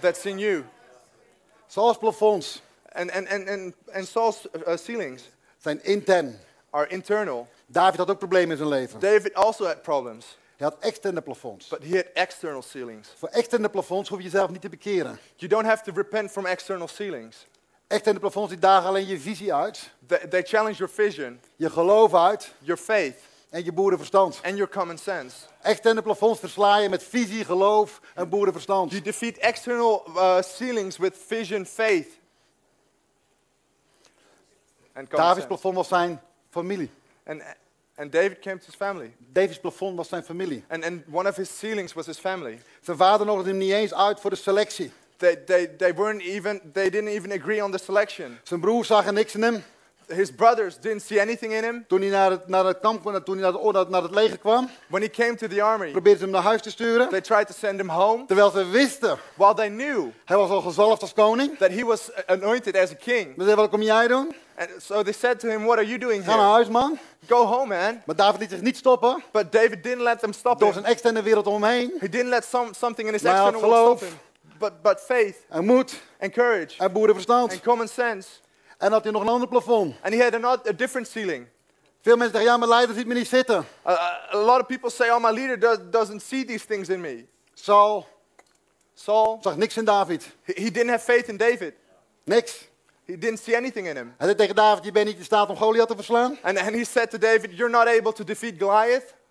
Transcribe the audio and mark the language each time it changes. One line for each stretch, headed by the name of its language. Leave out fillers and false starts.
English: That's in you.
Dutch: Zoals plafonds.
English: And zoals ceilings.
Dutch: Zijn intern.
English: Are internal.
Dutch: David had ook problemen in zijn leven.
English: David also had problems.
Dutch: Hij had externe plafonds.
English: But he had external ceilings.
Dutch: Voor externe plafonds hoef je jezelf niet te bekeren.
English: You don't have to repent from external ceilings.
Dutch: Externe plafonds die dagen alleen je visie uit.
English: They challenge your vision.
Dutch: Je geloof uit.
English: Your faith.
Dutch: En je boerenverstand.
English: And your common sense.
Dutch: Externe plafonds versla je met visie, geloof en boerenverstand.
English: You defeat external ceilings with vision, faith. And common David's sense.
Dutch: Plafond was zijn familie.
English: And David came to his family.
Dutch: David's plafond was zijn familie.
English: And one of his ceilings was his family.
Dutch: Zijn vader nodigde hem niet eens uit voor de selectie.
English: They didn't even agree on the selection.
Dutch: Zijn broer zag er niks in hem.
English: His brothers didn't see anything in him.
Dutch: Toen hij naar het leger kwam.
English: When he came to the army.
Dutch: Probeerden ze hem naar huis te sturen.
English: They tried to send him home.
Dutch: Terwijl ze wisten.
English: While they knew.
Dutch: Hij was al gezalfd als koning.
English: That he was anointed as a king.
Dutch: Maar ze zeiden, wat kom jij doen?
English: And so they said to him, what are you doing
Dutch: here? Ga naar huis, man.
English: Go home, man.
Dutch: Maar David liet zich niet stoppen.
English: But David didn't let them stop him.
Dutch: Door zijn externe wereld om hem heen.
English: He didn't let something in his external world stop him. But faith.
Dutch: En moed.
English: And courage.
Dutch: En boerenverstand.
English: And common sense.
Dutch: En had hij nog een ander plafond.
English: And he had a different ceiling.
Dutch: Veel mensen zeggen, ja, mijn leider ziet me niet zitten.
English: A lot of people say, oh, my leader doesn't see these things in me.
Dutch: Saul. Zag niks in David.
English: He didn't have faith in David.
Dutch: Niks.
English: He didn't see anything in him.
Dutch: Hij zei tegen David, je bent niet in staat om Goliath te verslaan.
English: And he said to David, you're not able to defeat Goliath.